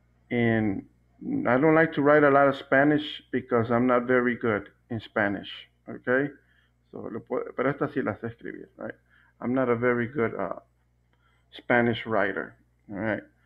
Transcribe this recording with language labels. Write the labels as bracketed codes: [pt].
[en] And I don't like to write a lot of Spanish because I'm not very good in Spanish, okay? [es] So, pero esta sí la sé escribir, [en] right? I'm not a very good Spanish writer, all right?